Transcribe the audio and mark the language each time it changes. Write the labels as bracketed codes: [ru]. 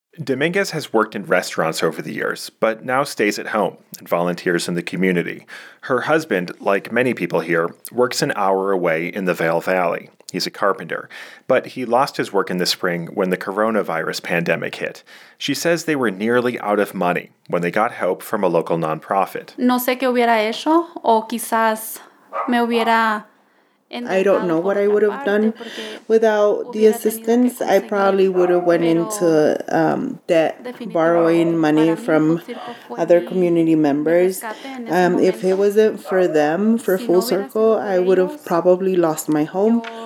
[en] Dominguez has worked in restaurants over the years, but now stays at home and volunteers in the community. Her husband, like many people here, works an hour away in the Vail Valley. He's a carpenter, but he lost his work in the spring when the coronavirus pandemic hit. She says they were nearly out of money when they got help from a local nonprofit. [es] No sé qué hubiera hecho, o quizás me hubiera... [en] I don't know what I would have done without the assistance. I probably would have went into debt, borrowing money from other community members. If it wasn't for them, for Full Circle, I would have probably lost my home.